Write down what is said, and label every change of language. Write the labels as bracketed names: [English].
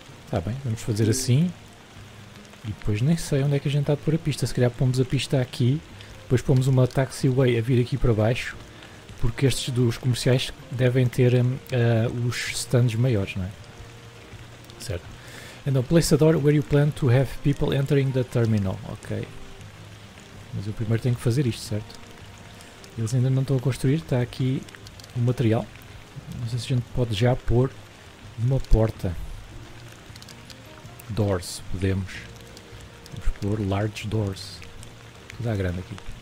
[Portuguese] Tá bem, vamos fazer assim. E depois nem sei onde é que a gente está a pôr a pista. Se calhar pomos a pista aqui. Depois pomos uma taxiway a vir aqui para baixo. Porque estes dos comerciais devem ter os stands maiores, não é? Certo. Então, [English] place a door where you plan to have people entering the terminal. [Portuguese] Ok. Mas eu primeiro tenho que fazer isto, certo? Eles ainda não estão a construir. Está aqui o material. Não sei se a gente pode já pôr uma porta. Doors, podemos. Vamos pôr large doors. Tudo à grande aqui.